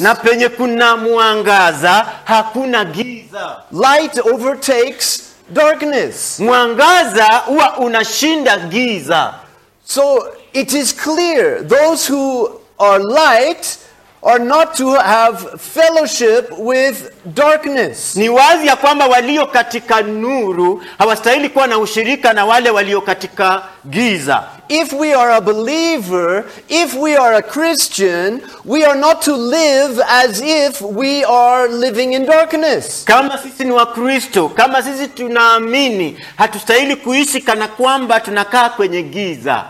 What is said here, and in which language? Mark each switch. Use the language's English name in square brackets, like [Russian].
[Swahili] Na penye kuna mwangaza, hakuna giza. [English] Light overtakes darkness. [Swahili] Mwangaza huwa unashinda giza. [English] So it is clear, those who are light are not to have fellowship with darkness. [Swahili] Ni wazi ya kwamba walio katika nuru hawastahili kuwa na ushirika na wale walio katika giza. [English] If we are a believer, if we are a Christian, we are not to live as if we are living in darkness. [Swahili] Kama sisi ni wa Kristo, kama sisi tunaamini, hatustahili kuishi kana kwamba tunakaa kwenye giza.